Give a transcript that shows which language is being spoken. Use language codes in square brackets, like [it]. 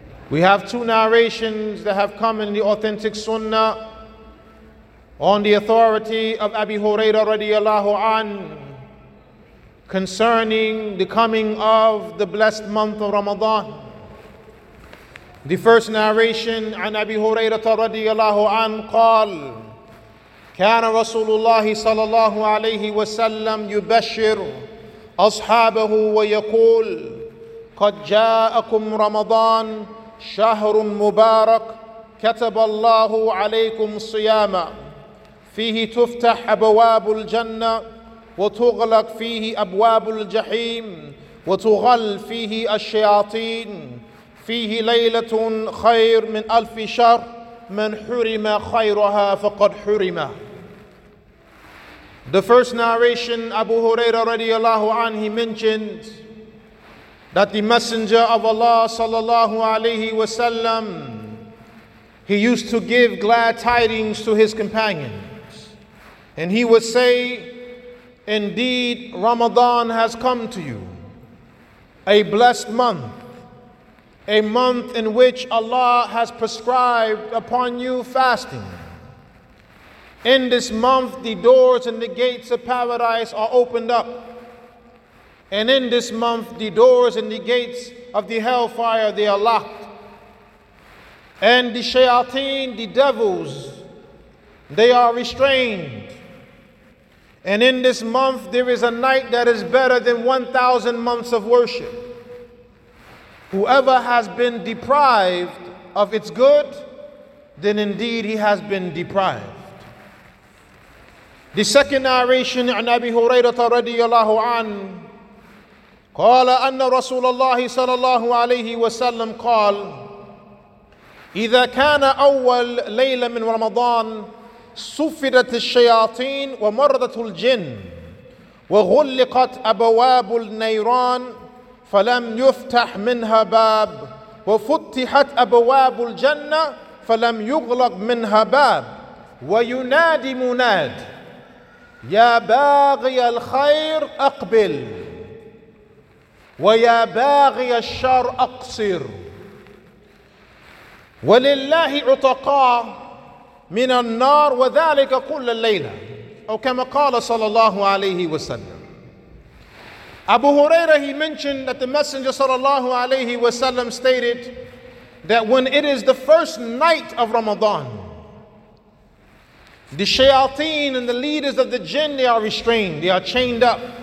[en] We have two narrations that have come in the authentic Sunnah on the authority of Abi Hurairah radiallahu anhu, concerning the coming of the blessed month of Ramadan. The first narration, [ar] عن أبي هريرة رضي الله عنه قال كان رسول الله صلى الله عليه وسلم يبشر أصحابه ويقول قد جاءكم رمضان شهر مبارك كتب الله عليكم صياما فيه تفتح أبواب الجنة وتغلق فيه أبواب الجحيم وتغل فيه الشياطين فيه ليلة خير من ألف شهر من حرم خيرها فقد حرم. [en] The first narration, Abu Huraira radiallahu anhi mentioned that the Messenger of Allah sallallahu alayhi wasallam, he used to give glad tidings to his companions. And he would say, indeed, Ramadan has come to you, a blessed month, a month in which Allah has prescribed upon you fasting. In this month, the doors and the gates of paradise are opened up. And in this month, the doors and the gates of the hellfire, they are locked. And the shayateen, the devils, they are restrained. And in this month, there is a night that is better than 1,000 months of worship. Whoever has been deprived of its good, then indeed he has been deprived. The second narration [ar] عن أبي هريرة رضي الله عنه قال أن رسول الله صلى الله عليه وسلم قال إذا كان أول ليلة من رمضان صفدت الشياطين ومرضت الجن وغلقت أبواب النيران فلم يفتح منها باب وفتحت أبواب الجنة فلم يغلق منها باب وينادي مناد Ya baghi al-khayr aqbil wa ya baghi al-shar aqsir wa lillahi utaqa min an-nar wa dhalika kull al-layla aw kama qala sallallahu alayhi wa sallam. [en] Abu Huraira, he mentioned that the Messenger sallallahu alayhi wa sallam stated that when it is the first night of Ramadan, the shayateen and the leaders of the jinn, they are restrained, they are chained up.